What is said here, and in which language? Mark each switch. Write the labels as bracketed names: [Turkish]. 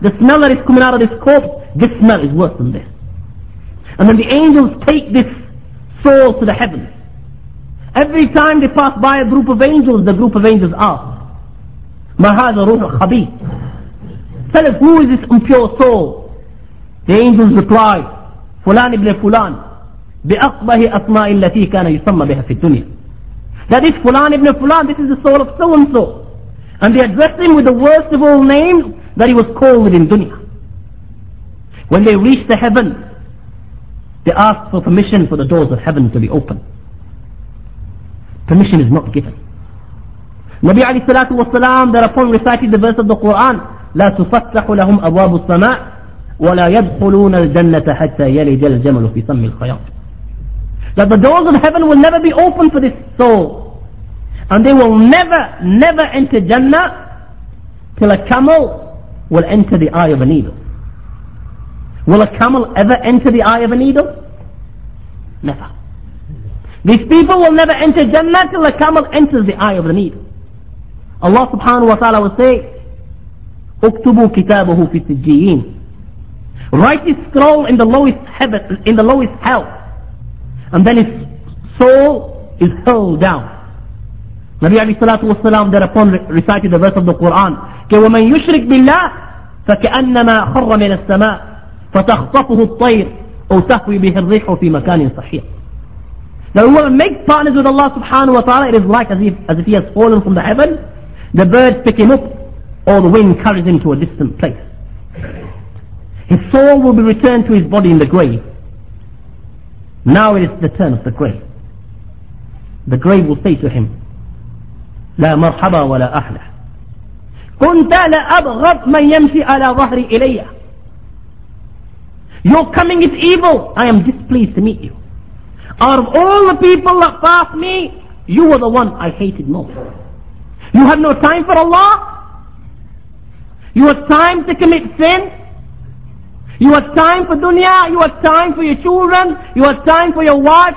[English] The smell that is coming out of this corpse, this smell is worse than this. And then the angels take this soul to the heavens. Every time they pass by a group of angels, the group of angels ask, [Arabic] مَا هَذَا رُوحُ الْخَبِيثِ. [English] Tell us, who is this impure soul? The angels reply, [Arabic] فلان ابن فلان بأقبه أسماء التي كان يسمى بها في الدنيا. [English] That is [Arabic] فلان ابن فلان, [English] this is the soul of so and so. And they address him with the worst of all names that he was called within dunya. When they reach the heaven, they ask for permission for the doors of heaven to be open. Permission is not given. Nabi alayhi salatu wasalam thereupon recited the verse of the Quran, [Arabic] لا تفتح لهم أبواب السماء ولا يدخلون الجنة حتى يلج الجمل في سم الخياط. [English] That the doors of heaven will never be open for this soul, and they will never enter Jannah till a camel will enter the eye of a needle. Will a camel ever enter the eye of a needle? Never. These people will never enter Jannah till a camel enters the eye of the needle. Allah subhanahu wa ta'ala will say, [Arabic] اكتبوا كتابه في السجيين. [English] Write his scroll in the lowest heaven, in the lowest hell. And then his soul is hurled down. Nabi alayhi salatu wasalam thereupon recited the verse of the Quran, [Arabic] وَمَنْ يُشْرِكْ بِاللَّهِ فَكَأَنَّمَا خَرَّ مِنَ السَّمَاءِ فَتَخْطَفُهُ الطَّيْرِ أَوْ تَهْوِي بِهِ الرِّيحُ فِي مَكَانٍ صَحِيحٍ. [English] Now whoever makes partners with Allah subhanahu wa ta'ala, it is like as if he has fallen from the heaven, the birds pick him up, or the wind carries him to a distant place. His soul will be returned to his body in the grave. Now it is the turn of the grave. The grave will say to him, [Arabic] لا مرحبا ولا أهلا كنت لأبغض من يمشي على ظهري إلي. [English] Your coming is evil, I am displeased to meet you. Out of all the people that passed me, you were the one I hated most. You have no time for Allah. You have time to commit sin. You have time for dunya. You have time for your children. You have time for your wife.